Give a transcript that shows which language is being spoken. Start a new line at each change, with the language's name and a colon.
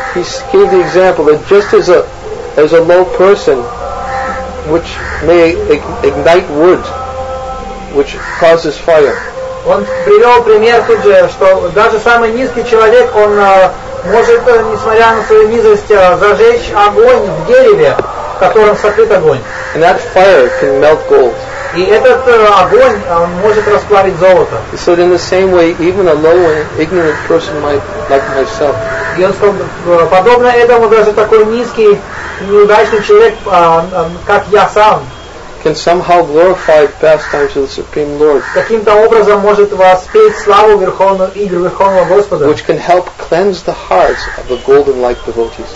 English: He gave the example that just as a low person, which may ignite wood, which causes fire.
Russian: Он привел пример тут же, что даже самый низкий человек, он может, несмотря на свою низость, зажечь огонь в дереве, в котором сокрыт огонь.
English: And that fire can melt gold.
Russian: И этот огонь, он может расплавить золото.
English: So in the same way, even a low and ignorant person might, like myself.
Russian: И он сказал, подобно этому даже такой низкий, неудачный человек, как я сам,
English: can somehow glorify pastimes of the Supreme Lord.
Russian: Каким-то образом может воспеть славу Верховного Игры Верховного Господа.
English: Which can help cleanse the hearts of the golden-like devotees.